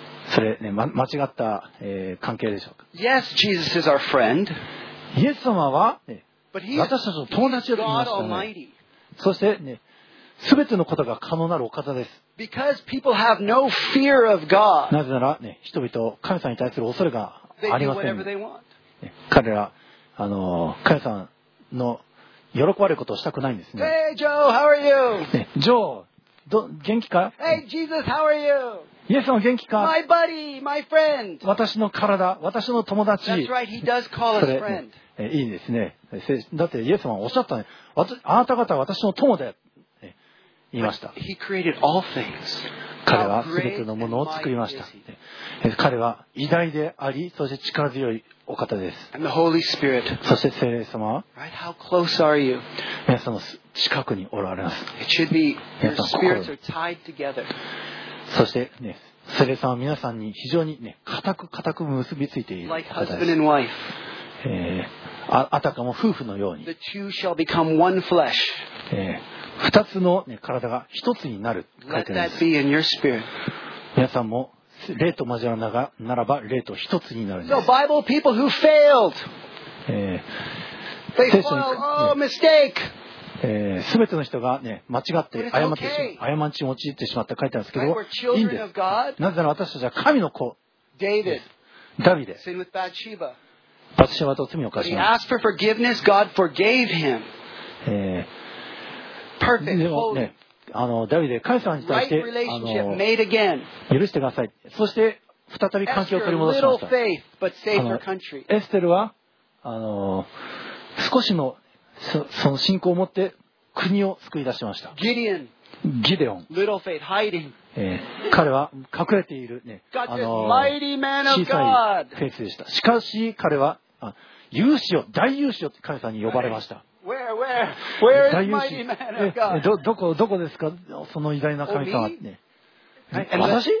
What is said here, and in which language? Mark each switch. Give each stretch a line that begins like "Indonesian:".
Japanese: それ、ね、間違った、関係でしょうか。
English: Yes, Jesus is our friend.
Japanese: イエス様は、ね、
English: But he's,
Japanese: 私たちの友達だと言いましたね。
English: God Almighty.
Japanese: そして、ね、全てのことが可能なるお方です。
English: Because people have no fear of God.
Japanese: なぜなら、ね、人々神様に対する恐れがありません。
English: They do whatever they want.
Japanese: 彼ら、神様の喜ばれることをしたくないんですね。
English: Hey Joe, how are you?
Japanese: ね、ジョー、元気か
English: ？Hey Jesus, how are you?
Japanese: イエス様元気か
English: ？My buddy, my friend.
Japanese: 私の体、私の友達。
English: That's right, he does call us friend.
Japanese: いいですね。だってイエス様はおっしゃったね。あなた方は私の友だって言いました。
English: He created all things.
Japanese: 彼は全てのものを作りました。彼は偉大であり、そして力強い。お方です。
English: And the Holy Spirit.
Japanese: そして聖霊様は、
English: right? How close are you?
Japanese: 皆さんの近くにおられます。
English: It should be your spirits are tied together.
Japanese: そして、ね、聖霊様は皆さんに非常に、ね、固く結びついている方です。
English: Like husband and wife.
Japanese: あたかも夫婦のように。
English: The two shall become one flesh.
Japanese: 二つの、ね、体が一つになる書いてあります。皆さんも霊と交わるならば霊と一つになるんです。
English: So Bible people who failed、They fall, oh, mistake.
Japanese: 全ての人が、ね、間違って誤ってしまう、誤ちに陥ってしまった書いてあるんですけど、いいんです。なぜなら私たちは神の子、
English: David.
Japanese: ダビデ、
English: Sin with Bathsheba.
Japanese: バツシバと罪を犯します。
English: He asked for forgiveness. God forgave him. Perfect. Holy.、
Japanese: ねあのダビデ、神様に対して、
English: right、
Japanese: あの許してください。そして再び関係を取り戻しました。エステルはあの少しの その信仰を持って国を救い出しました。ギデオン、
English: little faith, hiding.
Japanese: 彼は隠れている、ね、あの小さいフェイスでした。しかし彼は勇士を、大勇士を神様に呼ばれました。
English: Right. Where is mighty man of God?
Japanese: どこですかその偉大な神様、ね、私